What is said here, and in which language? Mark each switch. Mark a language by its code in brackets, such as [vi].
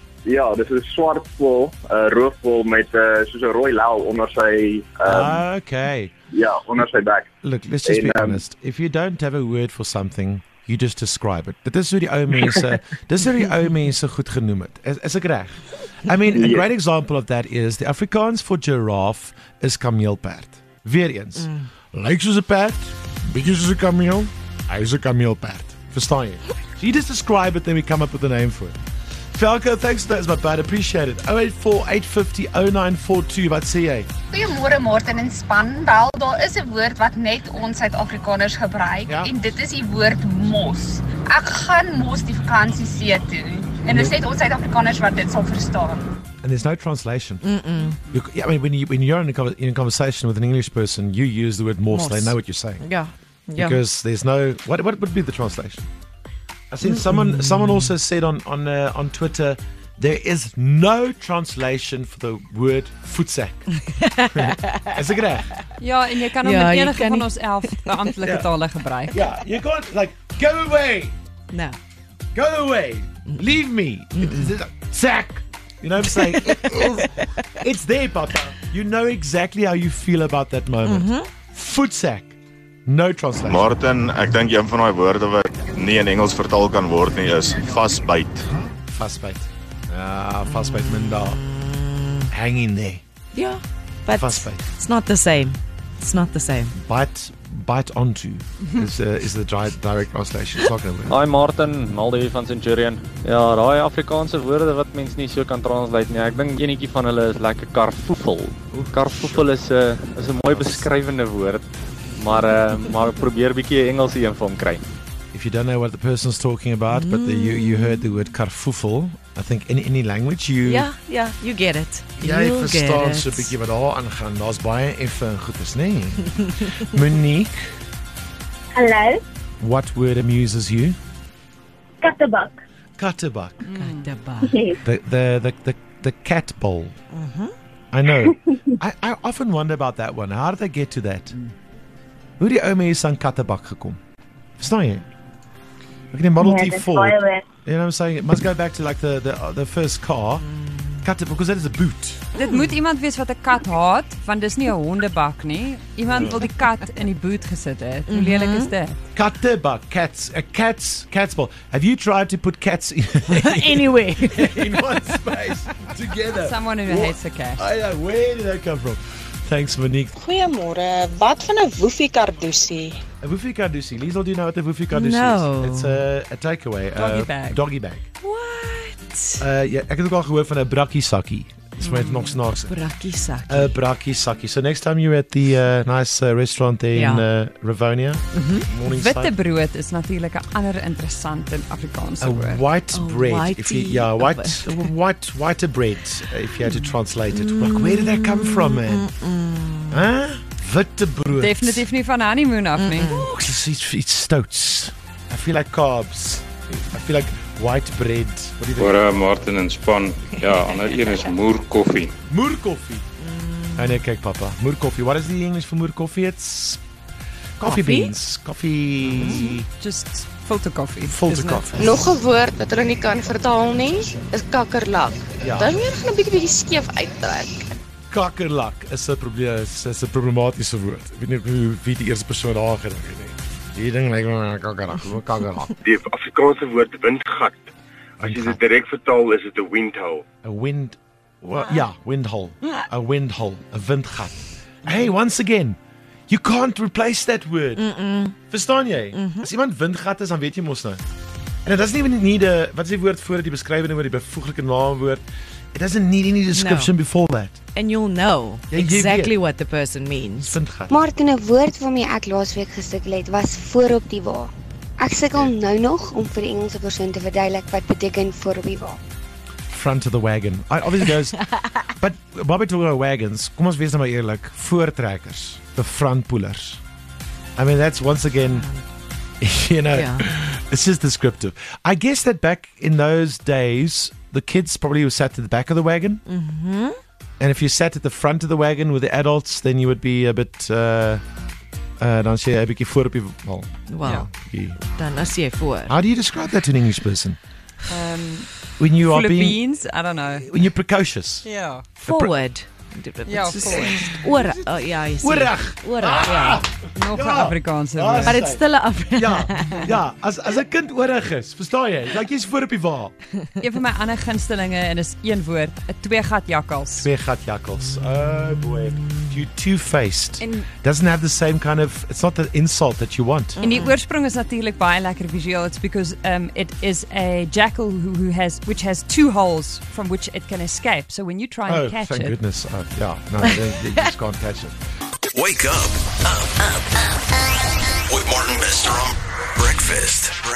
[af] Ja, dit is 'n swart voel, 'n roofvoel met soos 'n rooi lel onder sy... [en] Okay. [af] Ja, onder sy bek. [en] Look, let's just be honest. If you don't have a word for something, you just describe it. [af] Dit is hoe die ou mense, goed genoem het. Is ek reg? [en] I mean, a great example of that is, the Afrikaans for giraffe is kameelperd. [af] Weer eens. Lyk soos 'n perd, bietjie soos 'n kameel, hy is 'n kameelperd. Verstaan jy? [en] So you just describe it, then we come up with a name for it. Falco, thanks for that, it's my bad, appreciate it. [af] 084-850-0942, wat sê jy? Goeiemôre Martin en span. Wel, daar is 'n woord wat net ons Suid-Afrikaners gebruik, ja. En dit is die woord mos. Ek gaan mos die vakansie see toe. En dit is net ons Suid-Afrikaners wat dit sal verstaan. [en] And there's no translation. Mm-mm. Yeah, I mean, when you're in a conversation with an English person, you use the word mos, they know what you're saying. Yeah. Because there's no... What would be the translation? I see someone also said on Twitter, there is no translation for the word voetsak. [af] Is ek reg? Ja, en jy kan hom met enige van ons 11 amptelike tale gebruik. [en] Ja, you can't, like, go away. No. Go away. Leave me. Sack. You know what I'm saying? It's there, Papa. You know exactly how you feel about that moment. Voetsak. No translation. [af] Martin, ek dink een van daai woorde wat nie in Engels vertaal kan word nie is vasbyt. Vasbyt. Vasbyt minda. [en] Hang in there. Yeah, but vasbyt. It's not the same. It's not the same. Bite onto is the direct translation talking about. [af] Hi Martin, Maldivie van Centurion. Ja, daai Afrikaanse woorde wat mens nie so kan translate nie. Ek dink enetjie van hulle is lekker karfoefel. Karfoefel is 'n mooi beskrywende woord. Maar probeer bietjie Engels een van kry. [en] If you don't know what the person's talking about, but you heard the word karfoefel, I think in any language you... Yeah, you get it. [af] Jy verstaan so bietjie wat daar aangaan. Daar's baie effe en goed is, nê? Nee. Monique. [en] Hello. What word amuses you? [af] Kattebak. Kattebak. Kattebak. [en] The cat bowl. I know. I often wonder about that one. How did they get to that? [af] hoe die ou mense aan kattebak gekom. Verstaan jy? Ek het die Model T Ford. [en] You know what I'm saying? It must go back to like the first car. Kattebak, because that is a boot. [af] Dit moet iemand wees wat 'n kat haat, want dis nie 'n hondebak nie. Iemand wil die kat in die boot gesit het. Hoe lelik is dit? [en] Kattebak, cats, cats ball. Have you tried to put cats anywhere in one space together? Someone who hates a cat. Where did that come from? Thanks, Monique. [af] Goeiemôre. Wat van 'n woofie kardusie? [en] A woofie kardusie. Liesel, do you know what a woofie kardusie no. is? It's a takeaway. Doggy bag. What? [af] Ek het ook al gehoor van 'n brakkie sakkie. Dis my nog snaaks. A brakkie sakkie. [en] So next time you're at the nice restaurant there in Rivonia, morning [af] side. Witte brood is natuurlik 'n ander interessante Afrikaanse woord. [en] White bread. White bread, if you had to translate it. Like, where did that come from, man? Witte brood. [af] Definitief nie van honeymoon af nie. [en] It's stouts. I feel like carbs. I feel like white bread. [af] Voor Martin en Span. Ja, ander een is moer koffie. Moer koffie. En ek kyk papa. Moer koffie. [en] What is the English for moer koffie? It's coffee beans. Just filter coffee. [af] Nog 'n woord wat hulle nie kan vertaal nie, is kakkerlak. Dan weer gaan 'n bietjie skeef uittrek. Kakkerlak is 'n probleem, is 'n problematiese woord. Ek weet nie wie die eerste persoon daar gedink het nie. Die ding lyk my kakkerlak. Die Afrikaanse woord windgat. As jy dit direk vertaal, is dit 'n windhole. A windhole, 'n windgat. [en] Hey, once again, you can't replace that word. [af] Verstaan jy? As iemand windgat is, dan weet jy mos nou. En dit is nie net nie wat is die woord voor die beskrywende oor die bevoeglike naamwoord. [en] It doesn't need any description before that. And you'll know exactly what the person means. [af] Martin, 'n woord wat my ek laasweek gesukkel het was voorop die wa. Ek sukkel nou nog om vir die Engelse persoon te verduidelik wat beteken voorop die wa. [en] Front of the wagon. I obviously goes but Bobby talking about wagons. [af] Kom ons wees nou maar eerlik, voortrekkers, [en] the front pullers. I mean that's once again you know it's just descriptive. I guess that back in those days the kids probably were sat at the back of the wagon. And if you sat at the front of the wagon with the adults, then you would be a bit... [af] dan sê jy a bietjie voor op die... Well, dan as jy voor. [en] How do you describe that to an English person? When you are being... beans? I don't know. When you're precocious. Yeah. Forward. [af] Oorig. Afrikaanse. Maar dit stille Afrikaans. Ja, as 'n kind oorig is, verstaan jy? Like jy's voor op die waal. Een van my ander gunstelinge en is een woord, 'n twee gat jakkals. [en] Oh boy. You two-faced. Doesn't have the same kind of, it's not the insult that you want. [af] En die oorsprong is natuurlik baie lekker visueel. [en] It's because it is a jackal which has two holes from which it can escape. So when you try and catch it. Oh, thank goodness. They just can't catch it. Wake up. With Martin Bestrom. Breakfast.